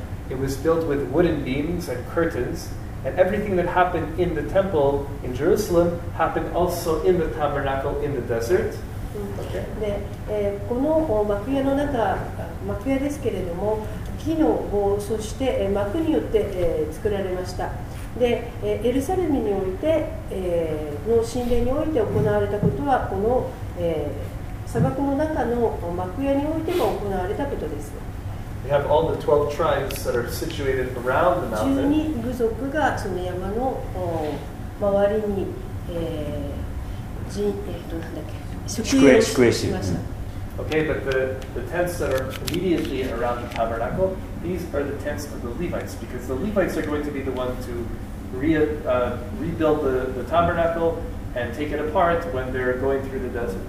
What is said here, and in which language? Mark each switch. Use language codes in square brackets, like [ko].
[en] It was built with wooden beams and curtains, and everything that happened in the temple in Jerusalem happened also in the tabernacle in the desert. [ja] で、この幕屋の中、幕屋ですけれども木の棒、そして幕によって、作られました。で、エルサレムにおいて、の神殿において行われたことはこの、砂漠の中の幕屋においても行われたことです。 [en] We have all the 12 tribes that are situated around the mountain. [ja] 12部族がその山の周りに、なんだっけ、宿営地、 [en] Okay, but the tents that are immediately around the tabernacle, these are the tents of the Levites, because the Levites are going to be the ones to rebuild the tabernacle and take it apart when they're going through the desert.